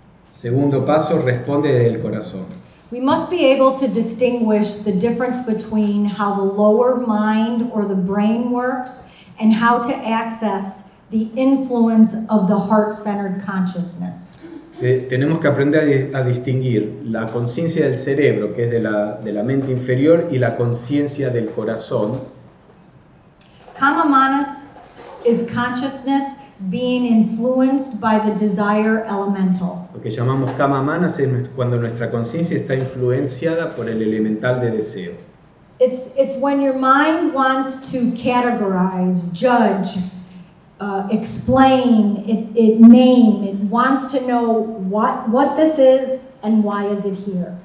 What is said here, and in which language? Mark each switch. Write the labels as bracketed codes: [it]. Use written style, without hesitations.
[es] Segundo paso, responde desde el corazón. [en] We must be able to distinguish the difference between how the lower mind or the brain works and how to access the influence of the heart-centered consciousness. [es] Tenemos que aprender a distinguir la conciencia del cerebro, que es de la mente inferior, y la conciencia del corazón. [en] Kama manas is consciousness being influenced by the desire elemental. [es] Lo que llamamos kama manas es cuando nuestra conciencia está influenciada por el elemental de deseo. [en] It's when your mind wants to categorize, judge, explain, it name, it wants to know what this is and why is it here.